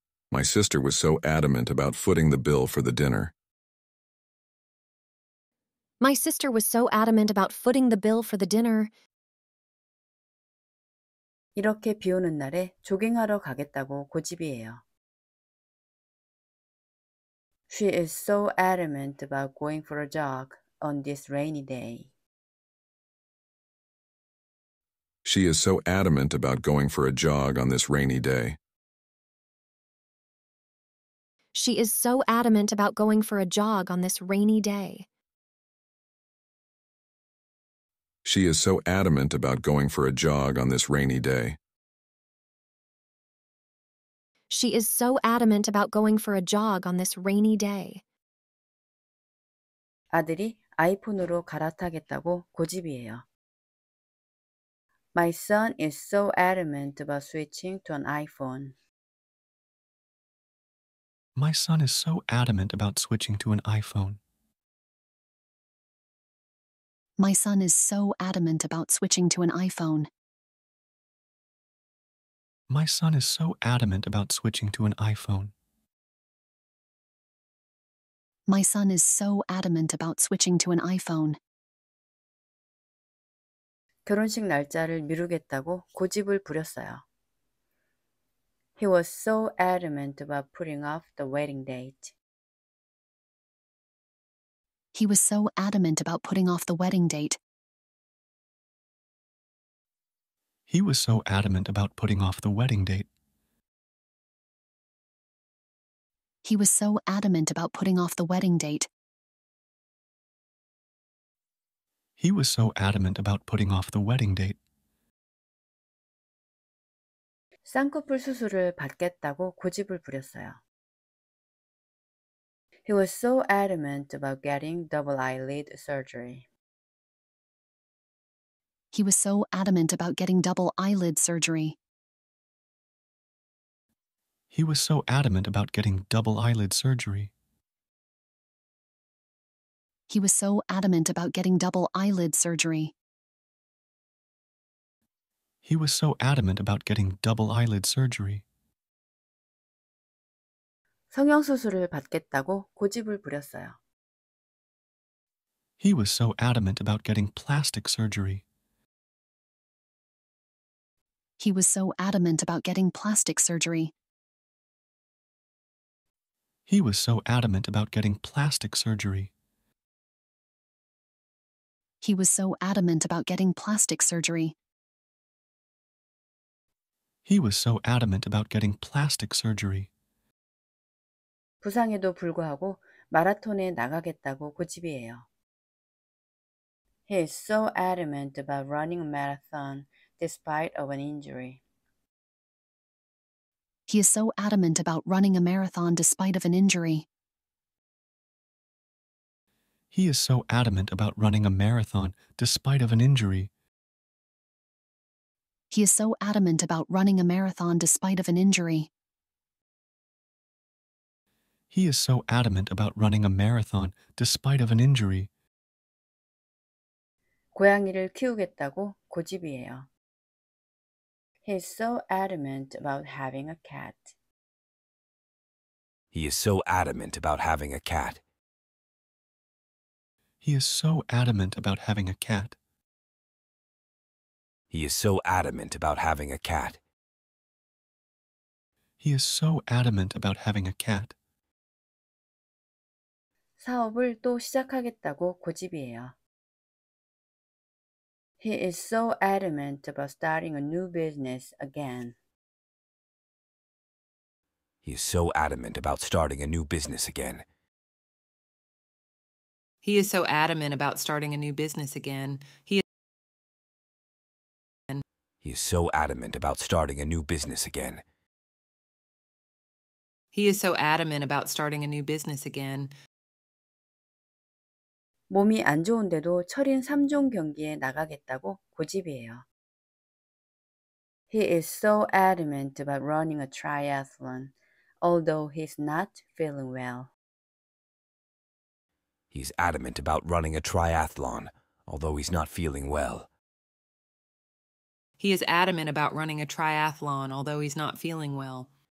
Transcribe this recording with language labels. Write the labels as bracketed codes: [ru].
[en] My sister was so adamant about footing the bill for the dinner. My sister was so adamant about footing the bill for the dinner. [ko] 이렇게 비 오는 날에 조깅하러 가겠다고 고집이에요. [en] She is so adamant about going for a jog on this rainy day. She is so adamant about going for a jog on this rainy day. She is so adamant about going for a jog on this rainy day. She is so adamant about going for a jog on this rainy day. She is so adamant about going for a jog on this rainy day. [ko] 아들이 아이폰으로 갈아타겠다고 고집이에요. [en] My son is so adamant about switching to an iPhone. My son is so adamant about switching to an iPhone. My son is so adamant about switching to an iPhone. My son is so adamant about switching to an iPhone. My son is so adamant about switching to an iPhone. [ko] 결혼식 날짜를 미루겠다고 고집을 부렸어요. [en] He was so adamant about putting off the wedding date. He was so adamant about putting off the wedding date. He was so adamant about putting off the wedding date. He was so adamant about putting off the wedding date. He was so adamant about putting off the wedding date. [ko] 쌍꺼풀 수술을 받겠다고 고집을 부렸어요. [en] He was so adamant about getting double eyelid surgery. He was so adamant about getting double eyelid surgery. He was so adamant about getting double eyelid surgery. He was so adamant about getting double eyelid surgery. He was so adamant about getting double eyelid surgery. [ko] 성형수술을 받겠다고 고집을 부렸어요. [en] He was so adamant about getting plastic surgery. He was so adamant about getting plastic surgery. He was so adamant about getting plastic surgery. He was so adamant about getting plastic surgery. He was so adamant about getting plastic surgery. [ko] 부상에도 불구하고 마라톤에 나가겠다고 고집이에요. [en] He is so adamant about running a marathon despite of an injury. He is so adamant about running a marathon despite of an injury. He is so adamant about running a marathon despite of an injury. He is so adamant about running a marathon despite of an injury. He is so adamant about running a marathon despite of an injury. [ko] 고양이를 키우겠다고 고집이에요. [en] He is so adamant about having a cat. He is so adamant about having a cat. He is so adamant about having a cat. He is so adamant about having a cat. He is so adamant about having a cat. [ko] 사업을 또 시작하겠다고 고집이에요. [en] He is so adamant about starting a new business again. He is so adamant about starting a new business again. He is so adamant about starting a new business again. He is so adamant about starting a new business again. He is so adamant about starting a new business again. [ko] 몸이 안 좋은데도 철인 3종 경기에 나가겠다고 고집이에요. [en] He is so adamant about running a triathlon, although he's not feeling well. He's adamant about running a triathlon, although he's not feeling well. He is adamant about running a triathlon, although he's not feeling well.